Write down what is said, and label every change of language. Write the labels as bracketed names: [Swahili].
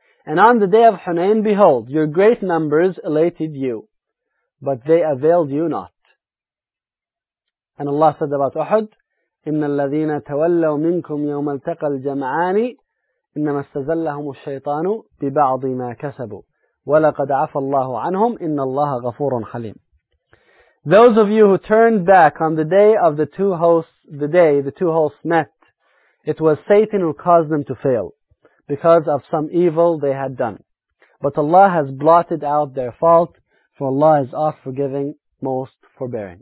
[English] And on the day of Hunayn, behold, your great numbers elated you, but they availed you not. And Allah said about Uhud, [Arabic] إِنَّ الَّذِينَ تَوَلَّوْا مِنْكُمْ يَوْمَ الْتَقَى الْجَمْعَانِ إِنَّمَا اسْتَزَلَّهُمُ الشَّيْطَانُ بِبَعْضِ مَا كَسَبُوا وَلَقَدْ عَفَى اللَّهُ عَنْهُمْ إِنَّ اللَّهَ غَفُورٌ حَلِيمٌ. [English] Those of you who turned back on the day of the two hosts, the day the two hosts met, it was Satan who caused them to fail because of some evil they had done. But Allah has blotted out their fault, for Allah is all forgiving, most forbearing.